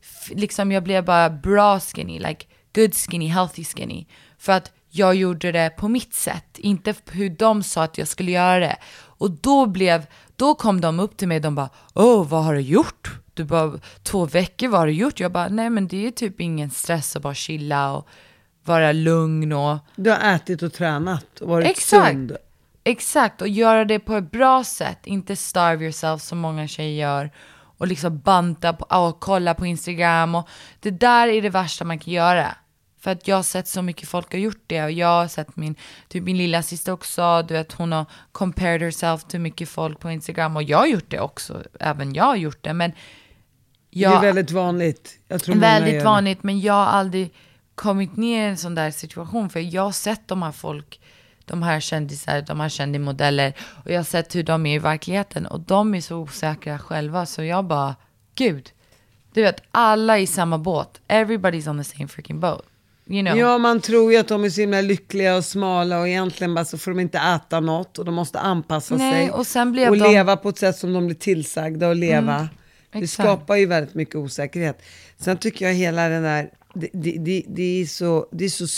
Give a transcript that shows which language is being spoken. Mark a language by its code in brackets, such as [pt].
[sv] Liksom jag blev bara bra skinny. [en] Like good skinny, healthy skinny. [sv] För att jag gjorde det på mitt sätt. Inte hur de sa att jag skulle göra det. Och då kom de upp till mig. De bara, vad har du gjort? Du bara, 2 veckor, vad har du gjort? Jag bara, nej men det är typ ingen stress att bara chilla och vara lugn och... Du har ätit och tränat och varit sund. Exakt, och göra det på ett bra sätt. Inte [en] starve yourself [sv] som många tjejer gör. Och liksom banta och kolla på Instagram. Och det där är det värsta man kan göra. För att jag har sett så mycket folk har gjort det. Och jag har sett min lilla syster också. Du vet, hon har [en] compared herself [sv] till mycket folk på Instagram. Och jag har gjort det också. Även jag har gjort det. Men det är väldigt vanligt. Jag tror väldigt vanligt, men jag har aldrig kommit ner i en sån där situation. För jag har sett de här folk, de här kändisar, de här kända modeller, och jag har sett hur de är i verkligheten, och de är så osäkra själva. Så jag bara, gud, du vet, alla är i samma båt. [en] Everybody's on the same freaking boat, you know? [sv] Ja, man tror ju att de är så himla lyckliga och smala, och egentligen bara så får de inte äta något, och de måste anpassa Nej, sig och, sen blir och de... leva på ett sätt som de blir tillsagda att leva. Det skapar ju väldigt mycket osäkerhet. Sen tycker jag hela den där, det är så skruvat.